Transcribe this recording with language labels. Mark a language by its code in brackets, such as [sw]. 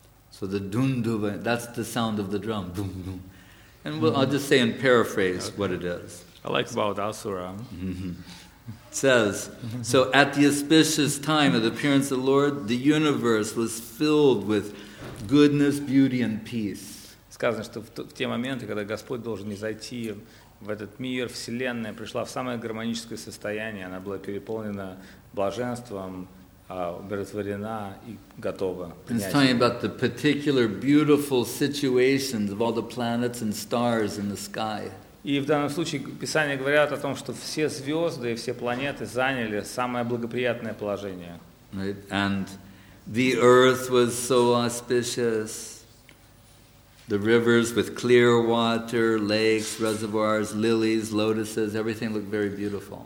[en] So the dundubayo, that's the sound of the drum, dum dum. And I'll just say in paraphrase what it is. I like about asura. It says, so at the auspicious time of the appearance of the Lord, the universe was filled with goodness, beauty, and peace. [ru] Сказано, что в те моменты, когда Господь должен изойти в этот мир, вселенная пришла в самое гармоническое состояние, она была переполнена блаженством, умиротворена и готова. [en] It's talking about the particular beautiful situations of all the planets and stars in the sky. [ru] И в данном случае Писание говорят о том, что все звезды и все планеты заняли самое благоприятное положение. [en] Right. And the earth was so auspicious, the rivers with clear water, lakes, reservoirs, lilies, lotuses, everything looked very beautiful.